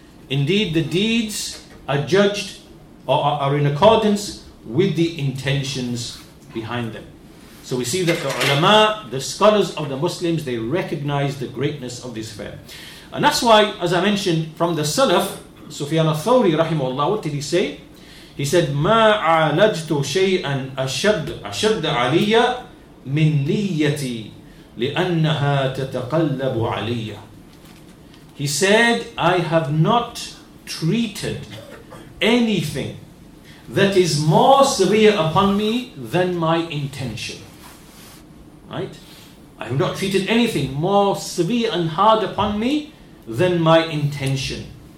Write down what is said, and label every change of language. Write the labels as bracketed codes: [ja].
[en] Indeed, the deeds are judged or are in accordance with the intentions behind them. So we see that the ulama, the scholars of the Muslims, they recognize the greatness of this affair. And that's why, as I mentioned, from the Salaf, Sufyan al-Thawri, rahimahullah, what did he say? [ar] He said, "ما عالجت شيئا أشد علي من نيتي لأنها تتقلب علي." [en] He said, "I have not treated anything that is more severe upon me than my intention." Right? "I have not treated anything more severe and hard upon me than my intention."